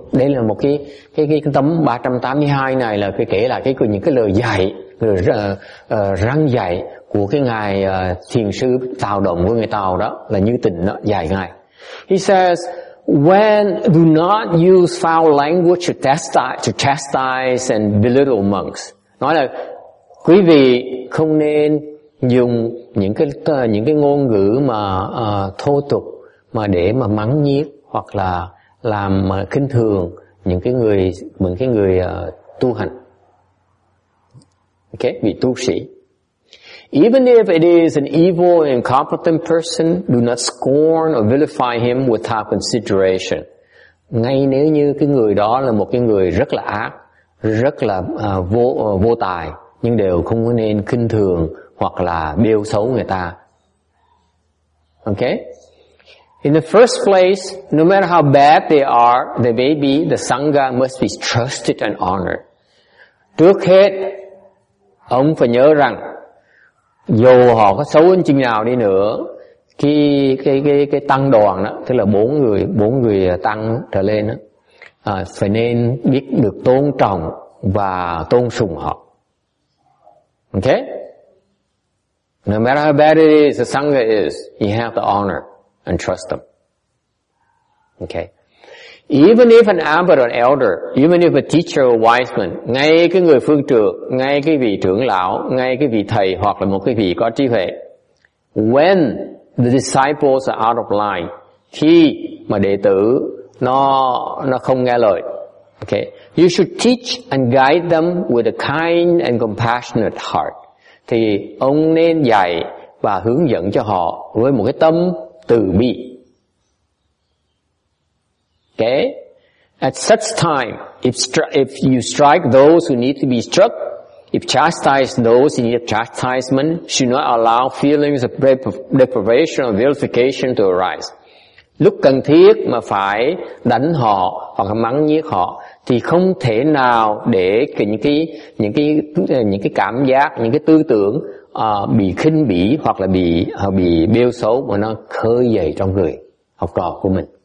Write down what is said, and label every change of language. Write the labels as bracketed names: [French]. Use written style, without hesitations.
[Vietnamese] Đây là một cái tấm 382 này là cái kể lại cái những cái lời dạy, răng dạy của cái ngài thiền sư Tào Động của người Tào đó, là Như Tịnh đó, dạy ngài. [English] He says, when do not use foul language to chastise and belittle monks. [Vietnamese] Nói là quý vị không nên dùng những cái ngôn ngữ mà thô tục mà để mà mắng nhiếc hoặc là làm khinh thường những cái người tu hành. Okay, vị tu sĩ. [English] Even if it is an evil and incompetent person, do not scorn or vilify him without consideration. [Vietnamese] Ngay nếu như cái người đó là một cái người rất là ác, rất là vô tài, nhưng đều không nên khinh thường hoặc là bêu xấu người ta. [English] Okay? In the first place, no matter how bad they are, the baby, the Sangha must be trusted and honored. [Vietnamese] Trước hết, ông phải nhớ rằng, dù họ có xấu đến chừng nào đi nữa, cái tăng đoàn đó, tức là bốn người tăng trở lên đó, phải nên biết được tôn trọng và tôn sùng họ. [English] Okay? No matter how bad it is, the Sangha is, you have to honor and trust them. Okay. Even if an abbot or an elder, even if a teacher or a wise man, [Vietnamese] ngay cái người phương trượng, ngay cái vị trưởng lão, ngay cái vị thầy hoặc là một cái vị có trí huệ, [English] when the disciples are out of line, [Vietnamese] khi mà đệ tử nó không nghe lời, [English] okay, you should teach and guide them with a kind and compassionate heart. [Vietnamese] Thì ông nên dạy và hướng dẫn cho họ với một cái tâm từ bi. [English] Okay? At such time, if you strike those who need to be struck, if chastise those who need chastisement, should not allow feelings of deprivation or vilification to arise. [Vietnamese] Lúc cần thiết mà phải đánh họ hoặc mắng nhiếc họ, thì không thể nào để những cái cảm giác, những cái tư tưởng bị khinh bỉ hoặc là bị bêu xấu mà nó khơi dậy trong người học trò của mình.